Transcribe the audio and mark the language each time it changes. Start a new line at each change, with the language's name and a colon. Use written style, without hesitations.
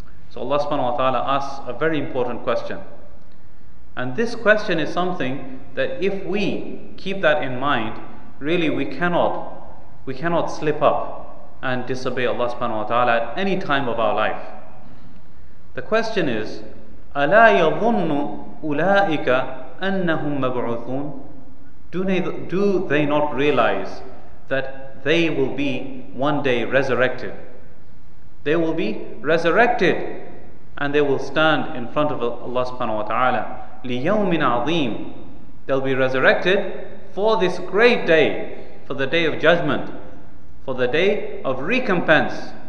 English: So Allah subhanahu wa ta'ala asks a very important question. And this question is something that if we keep that in mind, really we cannot slip up and disobey Allah subhanahu wa ta'ala at any time of our life. The question is,
Arabic: أَلَا يَظُنُّ أُولَٰئِكَ أَنَّهُمْ مَبْعُثُونَ.
English: Do they not realize that they will be one day resurrected? They will be resurrected and they will stand in front of Allah subhanahu wa ta'ala.
Arabic: لِيَوْمٍ عَظِيمٍ.
English: They'll be resurrected for this great day, for the day of judgment, for the day of recompense.